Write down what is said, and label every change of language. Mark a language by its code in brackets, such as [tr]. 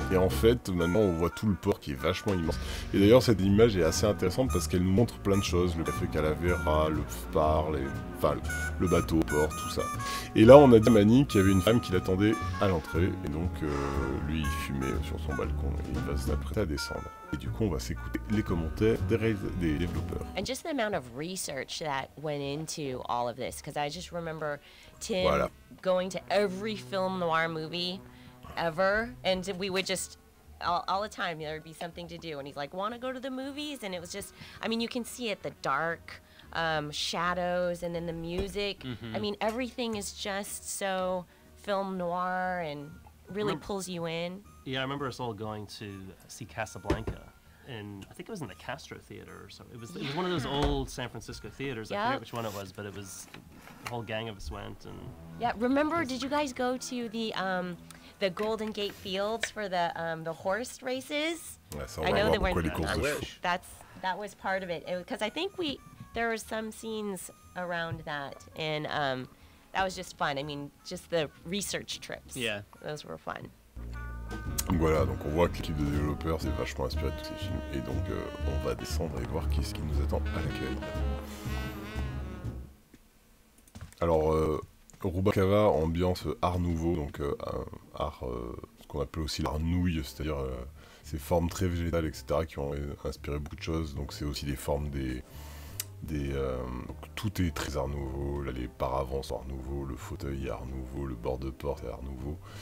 [fr] Et en fait, maintenant on voit tout le port qui est vachement immense. Et d'ailleurs, cette image est assez intéressante parce qu'elle nous montre plein de choses, le café Calavera, le phare, le bateau, le port, tout ça. Et là, on a dit à Manny qu'il y avait une femme qui l'attendait à l'entrée, et donc lui il fumait sur son balcon et il va s'apprêter à descendre. Et du coup, on va s'écouter les commentaires des développeurs. [en] And just the amount of research that went into all of this, because I just remember Tim going to every film noir movie ever, and we would just all the time there would be something to do, and he's like, "Want to go to the movies?" And it was just, I mean, you can see it—the dark shadows, and then the music. Mm-hmm. I mean, everything is just so film noir and really pulls you in. Yeah, I remember us all going to see Casablanca, and I think it was in the Castro Theater or so. It was one of those old San Francisco theaters. Yep. I forget which one it was, but it was a whole gang of us went. And yeah, remember, did you guys go to the Golden Gate Fields for the horse races? I know they weren't. That was part of it, because I think there were some scenes around that, and that was just fun. I mean, just the research trips. Yeah, those were fun. [fr] Voilà, donc on voit que l'équipe de développeurs s'est vachement inspirée de tous ces films, et donc on va descendre et voir qu'est-ce qui nous attend à l'accueil. Alors, Roubaix-Cabal, ambiance art nouveau, donc ce qu'on appelle aussi l'art nouille, c'est-à-dire ces formes très végétales, etc., qui ont inspiré beaucoup de choses, donc c'est aussi des formes donc tout est très art nouveau, là les paravents sont art nouveau, le fauteuil est art nouveau, le bord de porte est art nouveau.